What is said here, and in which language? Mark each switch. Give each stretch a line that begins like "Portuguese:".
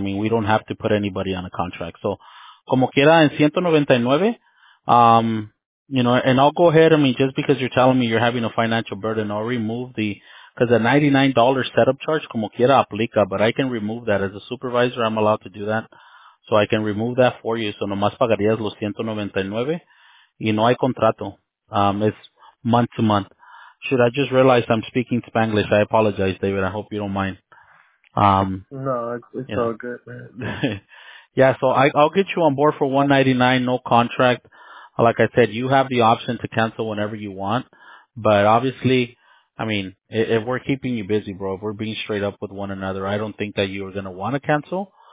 English: I mean, we don't have to put anybody on a contract. So,
Spanish: como quiera, en 199,
English: you know, and I'll go ahead, I mean, just because you're telling me you're having a financial burden, I'll remove the, because the $99 setup charge,
Spanish: como quiera, aplica,
English: but I can remove that. As a supervisor, I'm allowed to do that. So I can remove that for you.
Spanish: So nomás pagarías los 199 y no hay contrato.
English: It's month to month. Should I just realize I'm speaking Spanglish? I apologize, David. I hope you don't mind. No, it's all good, man. Yeah, so I'll get you on board for $199, no contract. Like I said, you have the option to cancel whenever you want. But obviously, I mean, if we're keeping you busy, bro, if we're being straight up with one another, I don't think that you are going to want to cancel.